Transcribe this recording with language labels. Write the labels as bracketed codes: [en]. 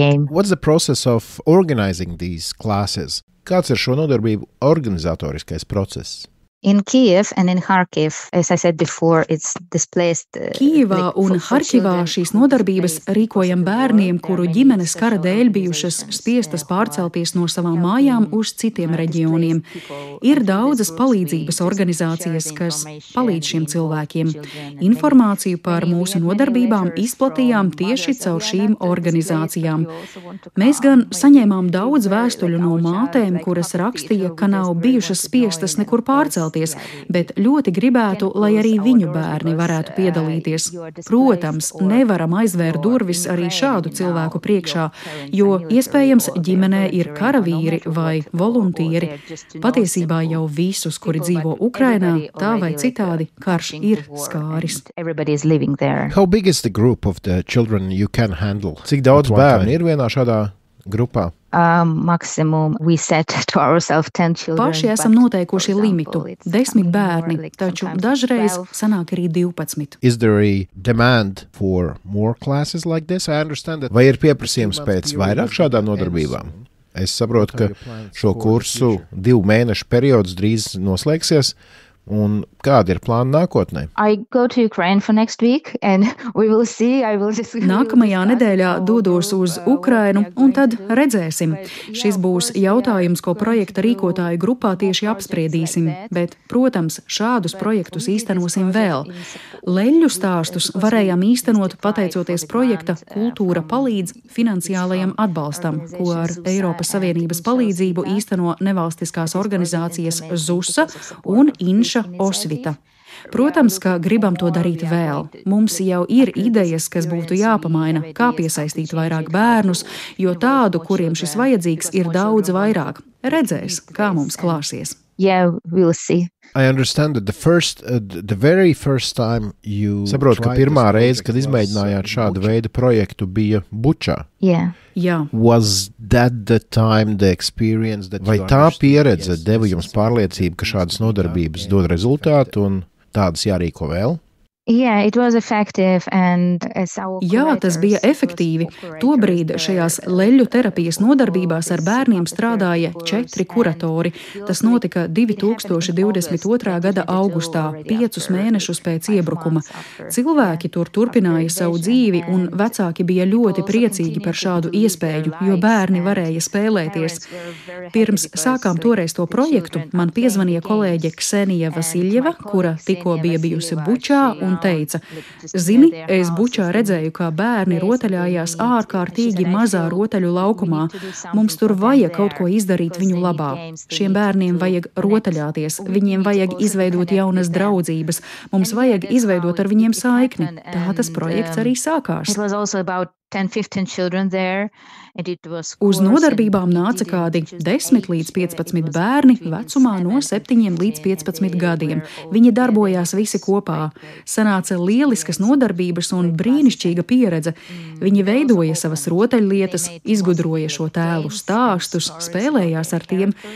[en] What's the process of organizing these classes? [lv] Kāds ir šo nodarbību organizatoriskais process? [en] In Kiev and in Kharkiv, as I said before, it's displaced. [lv] Kijevā un Harkivā šīs nodarbības rīkojam bērniem, kuru ģimenes kara dēļ bijušas spiestas pārcelties no savām mājām uz citiem reģioniem. Ir daudzas palīdzības organizācijas, kas palīdz šiem cilvēkiem. Informāciju par mūsu nodarbībām izplatījām tieši caur šīm organizācijām. Mēs gan saņēmām daudz vēstuļu no mātēm, kuras rakstīja, ka nav bijušas spiestas nekur pārcelties. Bet ļoti gribētu, lai arī viņu bērni varētu piedalīties. Protams, nevaram aizvērt durvis arī šādu cilvēku priekšā, jo iespējams ģimenē ir karavīri vai voluntieri. Patiesībā jau visus, kuri dzīvo Ukrainā, tā vai citādi, karš ir skāris. [en] How big is the group of the children you can handle? [lv] Cik daudz bērnu ir vienā šādā grupā? [en] Maximum we set to ourselves 10 children. [lv] Paši esam noteikuši limitu, 10 bērni, taču dažreiz sanāk arī 12. [en] Is there a demand for more classes like this? I understand that. [lv] Vai ir pieprasījums pēc vairāk šādām nodarbībām? Es saprotu, ka šo kursu 2 mēnešu periods drīz noslēgsies. Un kādi ir plāni nākotnē? [en] I go to Ukraine for next week and we will see. [lv] Nākamajā nedēļā dodos uz Ukrainu un tad redzēsim. Šis būs jautājums, ko projekta rīkotāju grupā tieši apspriedīsim, bet, protams, šādus projektus īstenosim vēl. Leļļu stāstus varējām īstenot pateicoties projekta Kultūra palīdz finansiālajam atbalstam, ko ar Eiropas Savienības palīdzību īsteno nevalstiskās organizācijas ZUSA un Osvita. Protams, ka gribam to darīt vēl. Mums jau ir idejas, kas būtu jāpamaina, kā piesaistīt vairāk bērnus, jo tādu, kuriem šis vajadzīgs, ir daudz vairāk. Redzēs, kā mums klāsies. [en] Yeah, we'll see. I understand that the very first time you [lv] saprot, ka pirmā reize, kad izmēģinājāt šādu veidu projektu, bija Bučā. [en] Yeah. Was that the time the experience that [lv] vai tā pieredze deva jums pārliecību, ka šādas nodarbības dod rezultātu un tādas jārīko vēl? [en] Yeah, it was effective and as our [lv] Jā, tas bija efektīvi. Tobrīd šajās leļļu terapijas nodarbībās ar bērniem strādāja 4 kuratori. Tas notika 2022. Gada augustā, 5 mēnešus pēc iebrukuma. Cilvēki tur turpināja savu dzīvi un vecāki bija ļoti priecīgi par šādu iespēju, jo bērni varēja spēlēties. Pirms sākām toreiz to projektu, man piezvanīja kolēģe Ksenija Vasiljeva, kura tikko bija bijusi Bučā, un teica, zini, es Bučā redzēju, kā bērni rotaļājās ārkārtīgi mazā rotaļu laukumā. Mums tur vajag kaut ko izdarīt viņu labā. Šiem bērniem vajag rotaļāties, viņiem vajag izveidot jaunas draudzības, mums vajag izveidot ar viņiem saikni. Tā tas projekts arī sākās. [en] 10-15 children there and it was [lv] uz nodarbībām nāca kādi 10 līdz 15 bērni vecumā no 7 līdz 15 gadiem. Viņi darbojās visi kopā. Sanāca lieliskas nodarbības un brīnišķīga pieredze. Viņi veidoja savas rotaļlietas, izgudroja šo tēlu stāstus, spēlējās ar tiem.